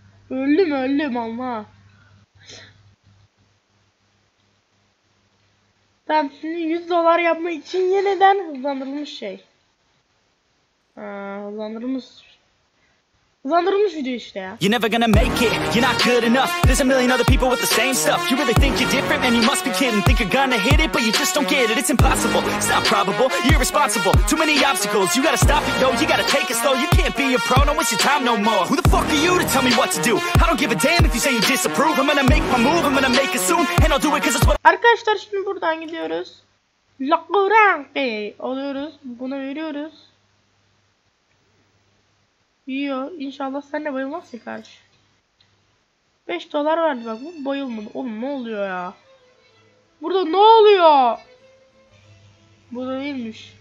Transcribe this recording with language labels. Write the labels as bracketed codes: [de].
[tr] Öldüm öldüm ama. Tamam şimdi 100 dolar yapmak için yeniden hızlandırılmış şey. Hızlandırılmış. Hızlandırılmış video işte ya. [en] You're never gonna make it, you're not good enough. There's a million other people with the same stuff. You really think you're different, man, you must be kidding. Think you're gonna hit it, but you just don't get it. It's impossible, it's not probable, you're irresponsible. Too many obstacles, you gotta stop it, yo. You gotta take it slow, you can't be a pro. No, it's your time no more. Who the fuck are you to tell me what to do? I don't give a damn if you say you disapprove. I'm gonna make my move, I'm gonna make it soon. And I'll do it cause it's what... [tr] Arkadaşlar şimdi buradan gidiyoruz. Lakırağ alıyoruz, buna veriyoruz. Yiyor. İnşallah sen de bayılmazsın kardeş. 5 dolar verdi bak. Bu bayılmadı. Oğlum ne oluyor ya? Burada ne oluyor? Bu da neymiş?